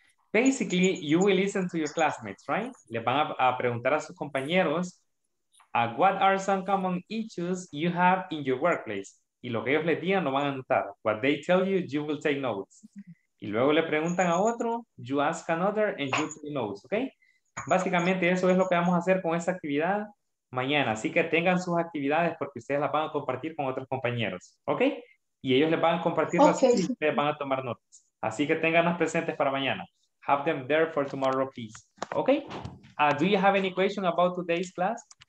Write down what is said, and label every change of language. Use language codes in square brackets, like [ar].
[en] Basically, you will listen to your classmates, right? [es] Le van a preguntar a sus compañeros, [en] what are some common issues you have in your workplace? [es] Y lo que ellos les digan lo van a anotar. [en] What they tell you, you will take notes. [es] Y luego le preguntan a otro, [en] you ask another, and you take notes, okay? [es] Básicamente eso es lo que vamos a hacer con esta actividad mañana. Así que tengan sus actividades porque ustedes las van a compartir con otros compañeros, okay? Y ellos les van a compartir las cosas y ustedes van a tomar notas. Así que tenganlas presentes para mañana. [en] Have them there for tomorrow, please. [es] Okay? [en] Do you have any question about today's class?